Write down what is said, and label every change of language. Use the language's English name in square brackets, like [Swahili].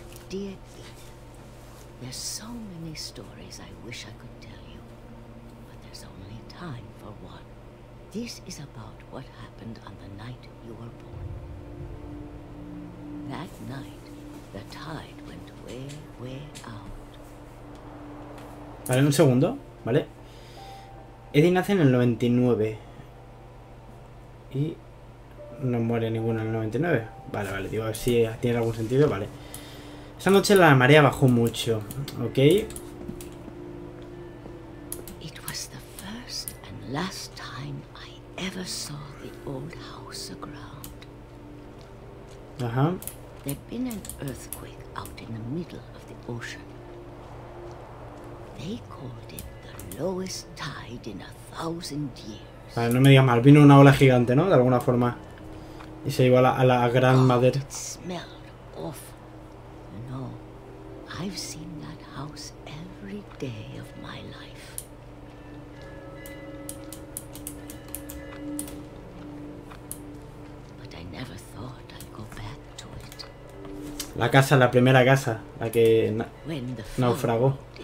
[English] Dear Edith, there's so many stories I wish I could tell you, but there's only time for one. This is about what happened on the night you were born. That night, the tide went way, way out. [Spanish] Vale, un segundo, ¿vale? Eddie nace en el 99. Y no muere ninguno en el 99. Vale, vale, digo, a ver si tiene algún sentido. Vale. Esa noche la marea bajó mucho, ¿ok? [English] It was the first and last time I ever saw the old house aground. Ajá. There'd been an earthquake out in the middle of the ocean. They called it the lowest tide in a thousand years. [Spanish] Vale, no me digas mal, vino una ola gigante, ¿no? De alguna forma. Y se iba a la gran madre. [English] It smelled awful. No, I've seen that house every day of my life. But I never thought I'd go back to it. [Spanish] La casa, la primera casa, la que naufragó.